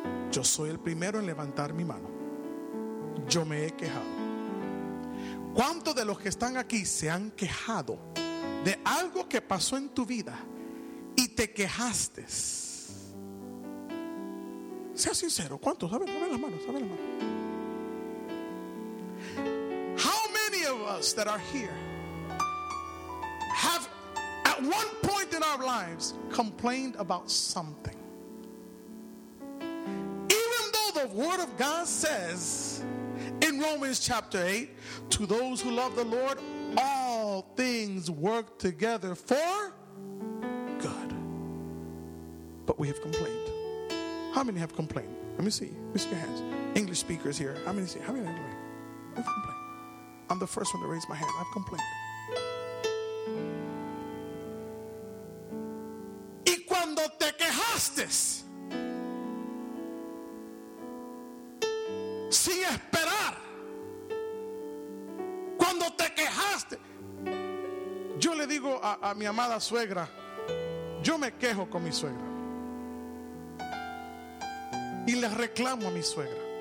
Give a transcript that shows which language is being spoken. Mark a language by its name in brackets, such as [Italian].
[Spanish] Yo soy el primero en levantar mi mano. Yo me he quejado. ¿Cuántos de los que están aquí se han quejado de algo que pasó en tu vida y te quejaste? Sea sincero. ¿Cuántos? A ver las manos. [English] How many of us that are here have at one point in our lives complained about something? The word of God says in Romans chapter 8, to those who love the Lord, all things work together for good. But we have complained. How many have complained? Let me see your hands. English speakers here. How many have complained? I've complained. I'm the first one to raise my hand. I've complained. [Spanish] Y cuando te quejaste, esperar, cuando te quejaste, yo le digo a mi amada suegra, yo me quejo con mi suegra y le reclamo a mi suegra,